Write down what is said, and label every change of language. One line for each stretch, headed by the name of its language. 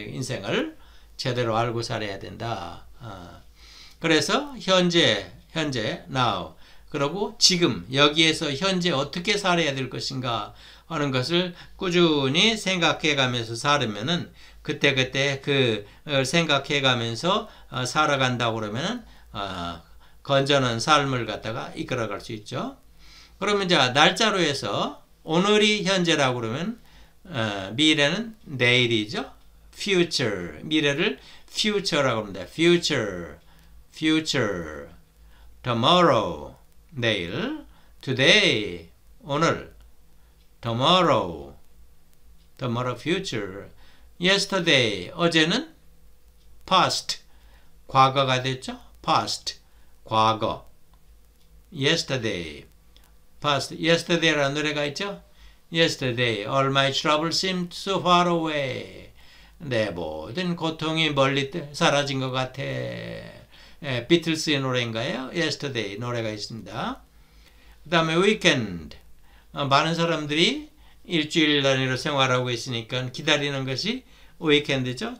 Korean: 인생을 제대로 알고 살아야 된다. 그래서 현재 now, 그리고 지금 여기에서 현재 어떻게 살아야 될 것인가 하는 것을 꾸준히 생각해 가면서 살으면은 그때그때 그걸 생각해 가면서 살아간다고 그러면은 건전한 삶을 갖다가 이끌어 갈수 있죠. 그러면 이제 날짜로 해서 오늘이 현재라고 그러면 미래는 내일이죠. future, 미래를 future라고 합니다.
English: future, tomorrow, 내일, today, 오늘, tomorrow, future, yesterday,
Korean: 어제는
English: past,
Korean: 과거가 됐죠? past, 과거, yesterday, past, yesterday라는 노래가 있죠?
English: yesterday, all my troubles seemed so far away.
Korean: 내 모든 고통이 멀리 사라진 것 같아. 비틀스의 노래인가요? Yesterday 노래가 있습니다. 그 다음에 Weekend. 많은 사람들이 일주일 단위로 생활하고 있으니까 기다리는 것이 Weekend죠.